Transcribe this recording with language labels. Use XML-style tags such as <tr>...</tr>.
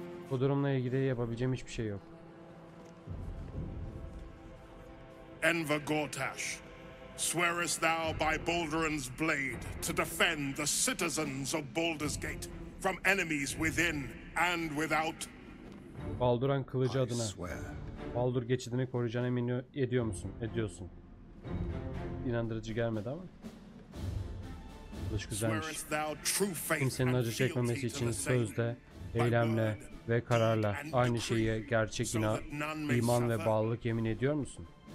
<tr>Bu durumla ilgili yapabileceğim hiçbir şey yok.</tr> <en>Enver Gortash, swearest thou by Baldurin's blade to defend the citizens of Baldur's Gate from enemies within and without?</en> <tr>Baldur'un kılıcı adına. Baldur geçidini koruyacağına emin ediyor musun? Ediyorsun. İnandırıcı gelmedi ama. Kılıç güzelmiş. Kimsenin acı çekmemesi için sözde, eylemle ve kararla aynı şeyi gerçek iman ve bağlılık yemin ediyor musun?</tr>